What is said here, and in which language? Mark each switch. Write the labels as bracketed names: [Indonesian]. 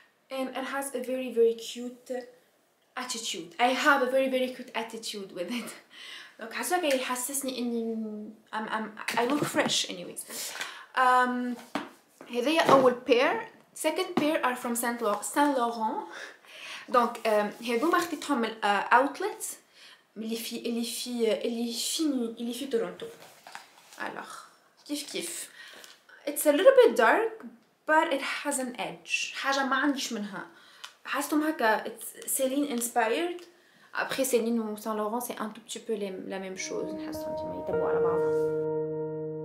[English] And it has a very, very cute attitude. I have a very, very cute attitude with it. [French] Donc, je pense qu'il me sent que I look fresh, anyways. [English] Here they are our pair. Second pair are from Saint Laurent. Donc, here they are from Outlet. Les filles Toronto. [French] Alors, kiff. [English] It's a little bit dark, but it has an edge. [Arabic] حاجة ما عنديش منها. حاسستهم هكا it's Celine inspired. [French] Après Celine ou Saint Laurent, c'est un tout petit peu la même chose. [Arabic] حاسستهم كيما يتبعوا على بعض.